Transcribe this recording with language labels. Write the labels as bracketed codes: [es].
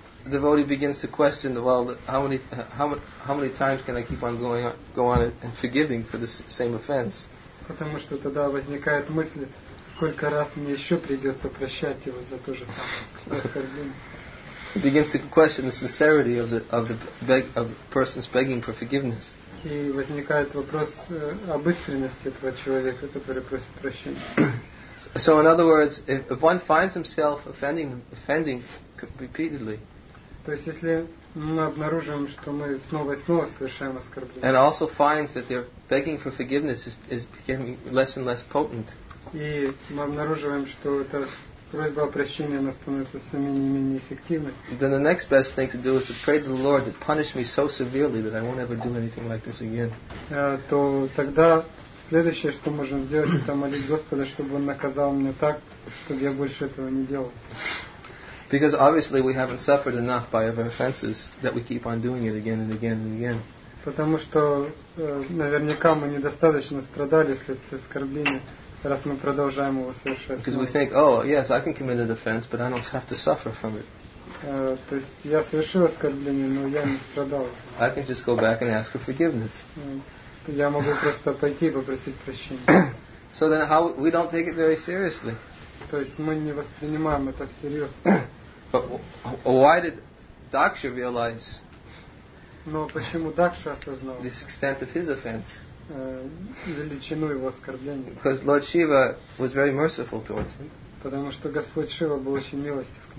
[en] the devotee begins to question, well, how many times can I keep on going on and forgiving for the same offense? [ru] Потому что тогда возникает мысль, сколько раз мне еще придется прощать его за то же самое. [en] It begins to question the sincerity of the person's begging for forgiveness. [ru] И возникает вопрос об искренности этого человека, который просит прощения. [en] So in other words, if one finds himself offending repeatedly, [ru] то есть если мы обнаруживаем, что мы снова и снова совершаем оскорбление, [en] and also finds that their begging for forgiveness is becoming less and less potent, [ru] и мы обнаруживаем, что эта просьба о прощении она становится все менее и менее эффективной, [en] then the next best thing to do is to pray to the Lord that punish me so severely that I won't ever do anything like this again. [ru] То тогда следующее, что можем сделать, это молить Господа, чтобы Он наказал меня так, чтобы я больше этого не делал. [en] Because obviously we haven't suffered enough by our offenses that we keep on doing it again and again and again. [ru] Потому что наверняка мы недостаточно страдали вследствие оскорбления, раз мы продолжаем его совершать. [en] Because we think, oh yes, I can commit an offense, but I don't have to suffer from it. [ru] То есть я совершил оскорбление, но я не страдал. [en] I can just go back and ask for forgiveness. [ru] Я могу просто пойти и попросить прощения. [en] So then how we don't take it very seriously. [ru] То есть мы не воспринимаем это всерьез. [en] But why did Daksha realize? [ru] Но почему Дакша осознал? [en] This extent of his offense. [ru] Величину его оскорбления. [en] Because Lord Shiva was very merciful towards him. [ru] Потому что Господь Шива был очень милостив.